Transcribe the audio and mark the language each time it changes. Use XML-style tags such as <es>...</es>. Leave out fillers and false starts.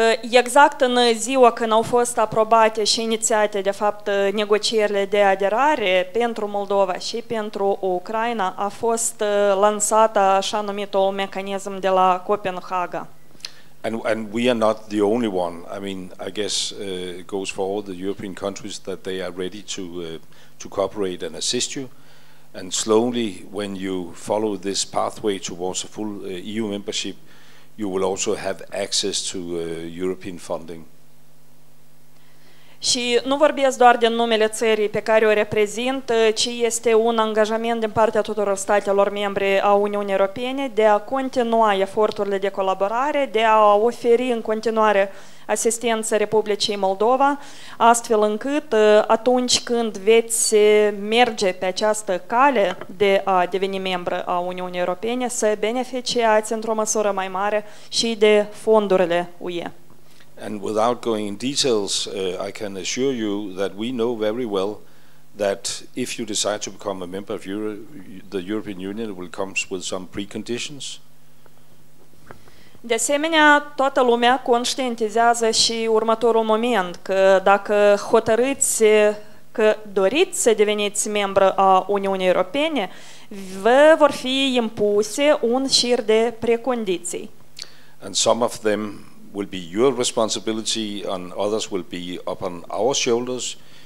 <ro>Exact în ziua când au fost aprobate și inițiate, de fapt, negocierile de aderare pentru Moldova și pentru Ucraina, a fost lansată așa numitul mecanism de la Copenhaga.</ro> <en>And we are not the only one. I mean, I guess it goes for all the European countries that they are ready to cooperate and assist you. And slowly, when you follow this pathway towards a full EU membership, you will also have access to European funding.</en> <ro>Și nu vorbesc doar din numele țării pe care o reprezint, ci este un angajament din partea tuturor statelor membre a Uniunii Europene de a continua eforturile de colaborare, de a oferi în continuare asistență Republicii Moldova, astfel încât atunci când veți merge pe această cale de a deveni membru a Uniunii Europene, să beneficiați într-o măsură mai mare și de fondurile UE.</ro> <en>And without going in details, I can assure you that we know very well that if you decide to become a member of the European Union, it will come with some preconditions.</en> <ro>De asemenea, toată lumea conștientizează și următorul moment, că dacă hotărâți că doriți să deveniți membru a Uniunii Europene, vă vor fi impuse un șir de precondiții.</ro> <en>And some of them will be your responsibility and others will be upon our shoulders.</en>